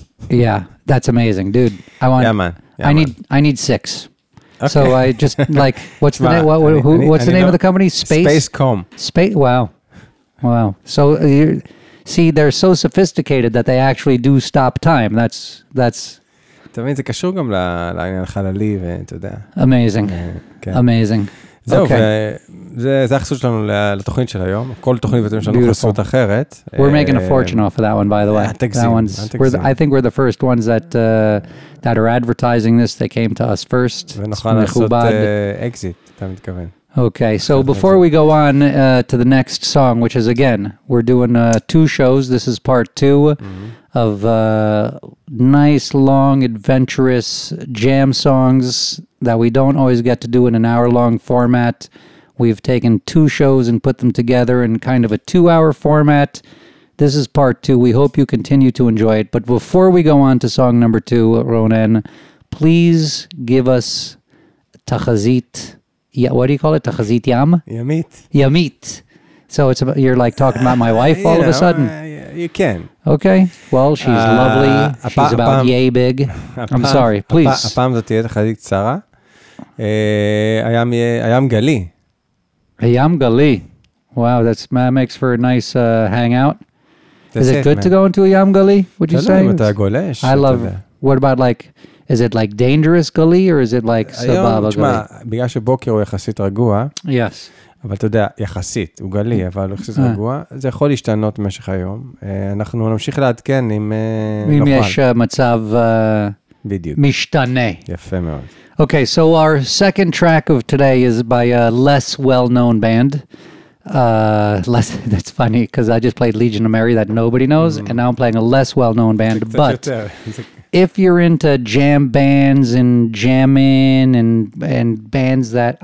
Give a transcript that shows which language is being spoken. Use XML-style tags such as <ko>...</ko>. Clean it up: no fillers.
<en>Yeah, that's amazing, dude. I need 6. Okay. So I just like, what's the name? What's the name of the company? Spacecom. Wow. So see, they're so sophisticated that they actually do stop time. That's.</en> <he>אתה מבין, זה קשור גם לעניין החללי, ואתה יודע.</he> <en>Amazing. Amazing.</en> <he>זהו, זה החסות שלנו לתוכנית של היום. כל תוכנית ואתם שלנו חסות אחרת.</he> <en>We're making a fortune off of that one, by the way. I think we're the first ones that are advertising this. They came to us first.</en> <he>ונוכל לעשות exit, אתה מתכוון.</he> <en>Okay, so before we go on to the next song, which is, again, we're doing two shows. This is part two of nice, long, adventurous jam songs that we don't always get to do in an hour-long format. We've taken two shows and put them together in kind of a two-hour format. This is part two. We hope you continue to enjoy it. But before we go on to song number two, Ronen, please give us Tachazit. Yeah, what do you call it? Tachazit Yam? Yamit. Yamit. So it's about, you're like talking about my wife all of a sudden? You can. Okay. Well, she's lovely. She's about yay big. I'm sorry. Please.</en> <he>הפעם זאת תהיה תחזית קצרה. הים גלי. הים גלי.</he> <en>Wow, that makes for a nice hangout. Is it good to go into a ים גלי? Would you say?</en> <he>אתה גולש.</he> <en>I love it. What about like... Is it like dangerous gully or is it like sababa gully?</en> <he>בגלל שבוקר הוא יחסית רגוע.</he> <en>Yes.</en> <he>אבל אתה יודע, יחסית, הוא גלי, אבל הוא יחסית רגוע. זה יכול להשתנות במשך היום. אנחנו נמשיך לעדכן אם נוכל. אם יש מצב בדיוק. משתנה. יפה מאוד.</he> <en>Okay, so our second track of today is by a less well-known band. That's funny, because I just played Legion of Mary that nobody knows, and now I'm playing a less well-known band, but... If you're into jam bands and jamming and bands that...</en>